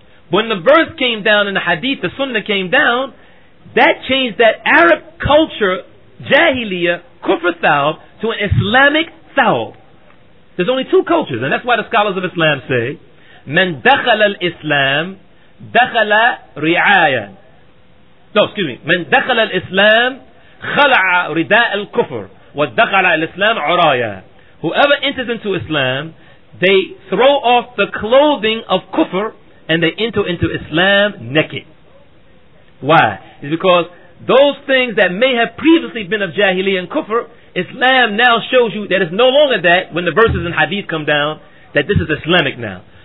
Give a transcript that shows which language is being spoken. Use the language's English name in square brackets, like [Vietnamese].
[English] When the verse came down in the hadith, the sunnah came down, that changed that Arab culture, Jahiliyyah, Kufr thawb, to an Islamic thawb. There's only two cultures, and that's why the scholars of Islam say, [Arabic] من دخل الإسلام دخل رعايا. [English] No, excuse me. [Arabic] من دخل الإسلام خلع رداء الكفر ودخل الإسلام عرايا. [English] Whoever enters into Islam, they throw off the clothing of Kufr, and they enter into Islam naked. Why? It's because those things that may have previously been of Jahiliyyah and Kufr, Islam now shows you that it's no longer that when the verses and hadith come down, that this is Islamic now.